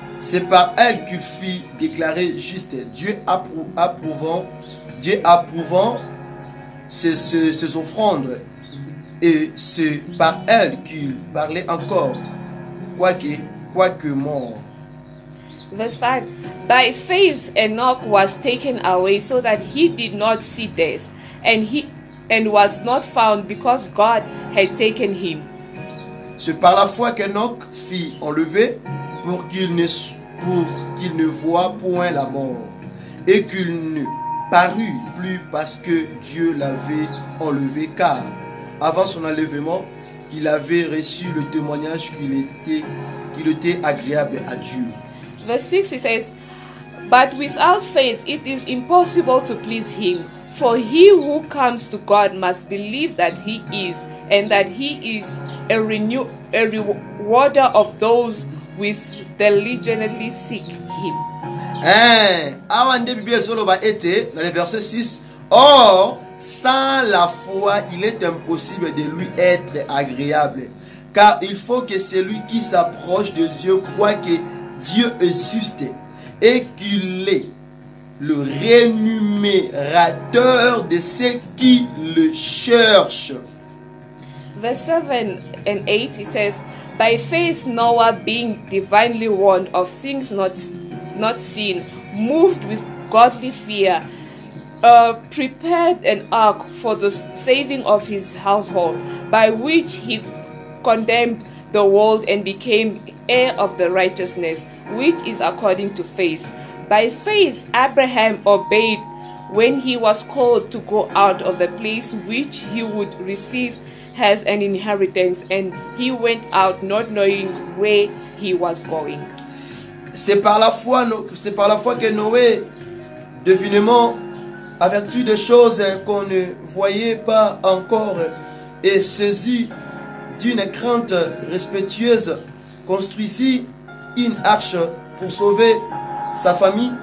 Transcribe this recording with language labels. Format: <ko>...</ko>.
<fr>C'est par elle qu'il fut déclaré juste. Dieu approuvant ses offrandes, et c'est par elle qu'il parlait encore, quoique mort. Verse 5.</fr> <en>By faith Enoch was taken away so that he did not see death, and was not found because God had taken him.</en> <fr>C'est par la foi qu'Enoch fut enlevé pour qu'il ne voie point la mort, et qu'il ne parut plus parce que Dieu l'avait enlevé, car avant son enlèvement, il avait reçu le témoignage qu'il était agréable à Dieu.</fr> <en>Verse 6, it says, but without faith it is impossible to please him, for he who comes to God must believe that he is, and that he is a rewarder of those with diligently seek him.</en> <fr>Avant de Bible solo ba été dans le verset 6. Or, sans la foi, il est impossible de lui être agréable, car il faut que celui qui s'approche de Dieu croie que Dieu existe et qu'il est le rémunérateur de ceux qui le cherchent.</fr> <en>Verse 7 and 8, it says, by faith Noah, being divinely warned of things not seen, moved with godly fear, prepared an ark for the saving of his household, by which he condemned the world and became heir of the righteousness which is according to faith. By faith Abraham obeyed when he was called to go out of the place which he would receive has an inheritance, and he went out not knowing where he was going.</en> <fr>C'est par la foi que Noé, devinement, avertu des choses qu'on ne voyait pas encore, et saisi d'une crainte respectueuse, construisit une arche pour sauver sa famille.</fr>